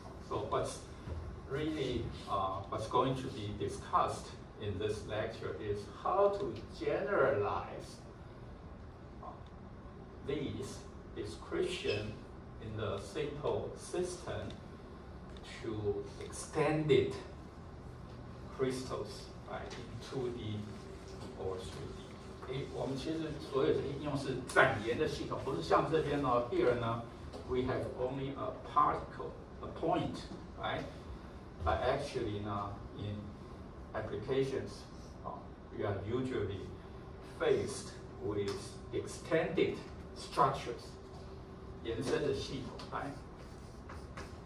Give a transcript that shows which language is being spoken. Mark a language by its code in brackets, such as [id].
[en] So what's really what's going to be discussed in this lecture is how to generalize these description in the simple system to extended crystals, right, in 2D or 3D. [zh] 我们其实所有的应用是展延的系统，不是像这边哦。 [en] Here 呢 ，we have only a particle. A point, right? But actually, in applications, we are usually faced with extended structures, 延伸的系统 right?